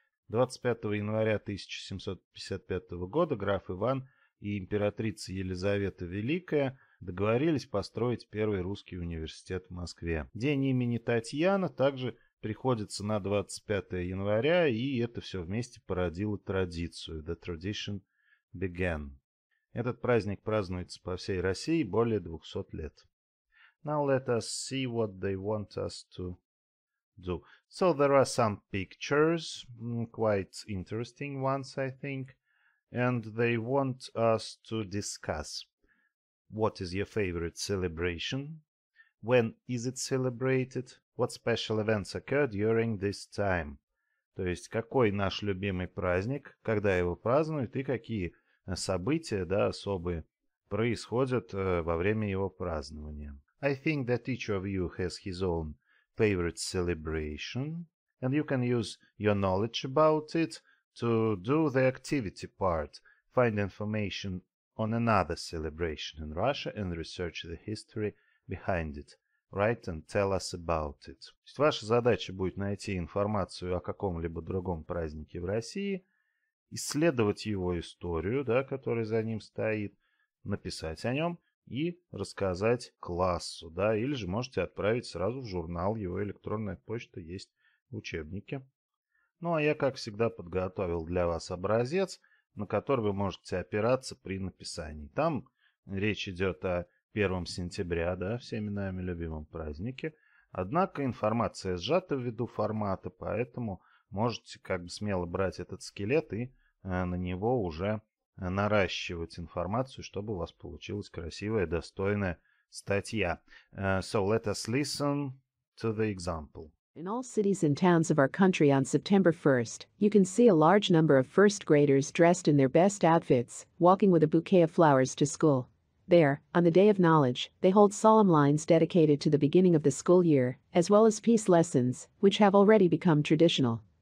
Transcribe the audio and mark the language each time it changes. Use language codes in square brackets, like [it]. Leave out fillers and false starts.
[ru] 25 января 1755 года граф Иван и императрица Елизавета Великая договорились построить первый русский университет в Москве. День имени Татьяна также приходится на 25 января, и это все вместе породило традицию. [en] The tradition began. [ru] Этот праздник празднуется по всей России более 200 лет. [en] Now let us see what they want us to do. So there are some pictures, quite interesting ones, I think. And they want us to discuss what is your favorite celebration, when is it celebrated, what special events occur during this time. [ru] То есть, какой наш любимый праздник, когда его празднуют и какие события, да, особые происходят во время его празднования. [en] I think that each of you has his own favorite celebration, and you can use your knowledge about it to do the activity part, find information on another celebration in Russia and research the history behind it, write and tell us about it. [ru] То есть ваша задача будет найти информацию о каком-либо другом празднике в России, исследовать его историю, да, которая за ним стоит, написать о нем и рассказать классу, да, или же можете отправить сразу в журнал, его электронная почта есть в учебнике. Ну, а я, как всегда, подготовил для вас образец, на который вы можете опираться при написании. Там речь идет о 1 сентября, да, всеми нами любимом празднике. Однако информация сжата ввиду формата, поэтому можете как бы смело брать этот скелет и на него уже наращивать информацию, чтобы у вас получилась красивая, достойная статья. [en] So let us listen to the example. In all cities and towns of our country on September 1st, you can see a large number of first graders dressed in their best outfits, walking with a bouquet of flowers to school. There, on the Day of Knowledge, they hold solemn lines dedicated to the beginning of the school year, as well as peace lessons, which have already become traditional.